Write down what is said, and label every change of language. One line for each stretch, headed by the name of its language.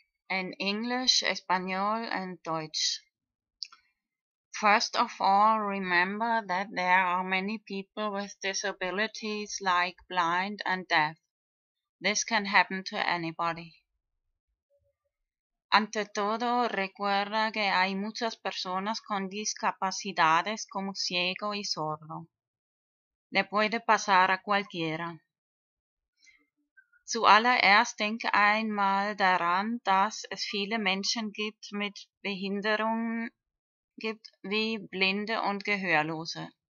English: In English, Español, and Deutsch. First of all, remember that there are many people with disabilities like blind and deaf. This can happen to anybody.
Spanish: Ante todo, recuerda que hay muchas personas con discapacidades como ciego y sordo. Le puede pasar a cualquiera.
German: Zuallererst denk einmal daran, dass es viele Menschen gibt mit Behinderungen, gibt wie Blinde und Gehörlose.